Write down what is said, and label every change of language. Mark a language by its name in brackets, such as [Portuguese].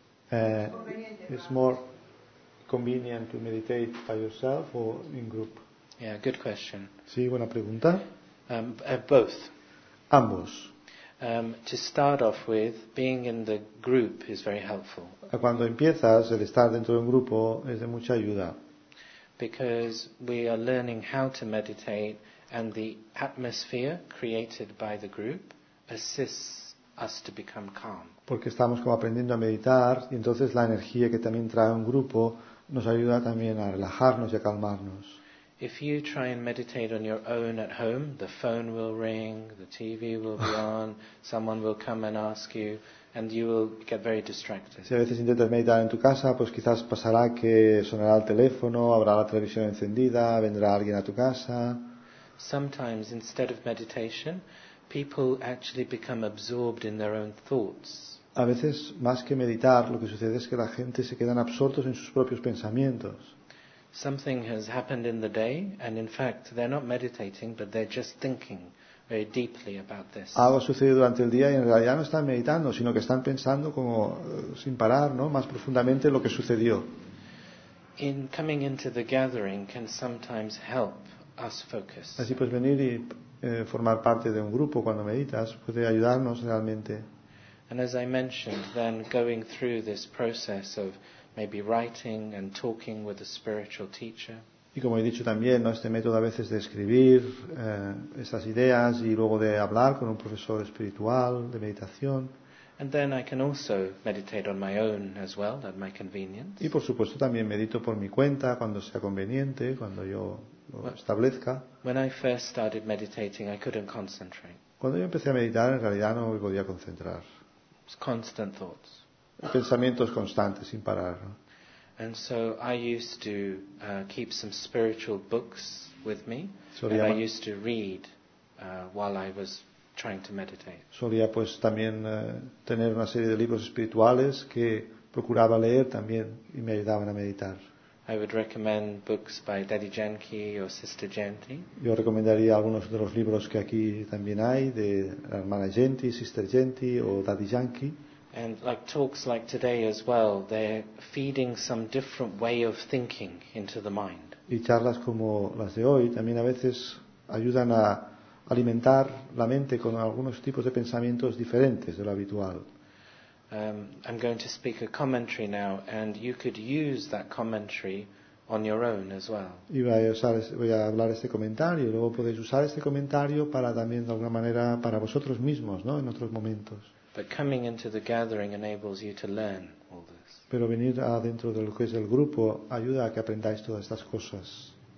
[English] It's more convenient to meditate by yourself or in group? Yeah, good question. [Spanish] Sí, buena pregunta. [English] Both. [Spanish] Ambos. [English] To start off with, being in the group is very helpful. [Spanish] Cuando empiezas, el estar dentro de un grupo es de mucha ayuda. [English] Because we are learning how to meditate and the atmosphere created by the group assists us to become calm. [Spanish] Porque estamos como aprendiendo a meditar y entonces la energía que también trae un grupo nos ayuda también a relajarnos y a calmarnos. [English] If you try and meditate on your own at home, the phone will ring, the TV will be on, someone will come and ask you, and you will get very distracted. [Spanish] Si a veces intentas meditar en tu casa, pues quizás pasará que sonará el teléfono, habrá la televisión encendida, vendrá alguien a tu casa. [English] Sometimes, instead of meditation, people actually become absorbed in their own thoughts. [Spanish] A veces, más que meditar, lo que sucede es que la gente se quedan absortos en sus propios pensamientos. [English] Something has happened in the day, and in fact, they're not meditating, but they're just thinking very deeply about this. [Spanish] Algo sucedió durante el día y en realidad no están meditando, sino que están pensando como sin parar, ¿no? Más profundamente lo que sucedió. [English] In coming into the gathering can sometimes help us focus. [Spanish] Así pues, venir y formar parte de un grupo cuando meditas puede ayudarnos realmente. [English] And as I mentioned, then going through this process of maybe writing and talking with a spiritual teacher. [Spanish] Y como he dicho también, ¿no? Este método a veces de escribir estas ideas y luego de hablar con un profesor espiritual de meditación. [English] And then I can also meditate on my own as well, at my convenience. [Spanish] Y por supuesto también medito por mi cuenta cuando sea conveniente, cuando yo lo establezca. [English] When I first started meditating, I couldn't concentrate. [Spanish] Cuando yo empecé a meditar, en realidad no me podía concentrar. [English] It's constant thoughts. [Spanish] Pensamientos constantes sin parar, ¿no? [English] And so I used to keep some spiritual books with me, [Spanish] solía [English] and I used to read while I was trying to meditate. [Spanish] Solía pues también tener una serie de libros espirituales que procuraba leer también y me ayudaban a meditar. [English] I would recommend books by Daddy Jenki or Sister Jenti. [Spanish] Yo recomendaría algunos de los libros que aquí también hay de la hermana Jenti, Sister Jenti o Daddy Jenki. [English] And like talks like today as well, they're feeding some different way of thinking into the mind. [Spanish] Y charlas como las de hoy también a veces ayudan a alimentar la mente con algunos tipos de pensamientos diferentes de lo habitual. [English] I'm going to speak a commentary now, and you could use that commentary on your own as well. [Spanish] Y voy a hablar este comentario, luego podéis usar este comentario para también de alguna manera para vosotros mismos, ¿no? En otros momentos. [English] But coming into the gathering enables you to learn all this. [Spanish] Pero venir adentro de lo que es el grupo ayuda a que aprendáis todas estas cosas.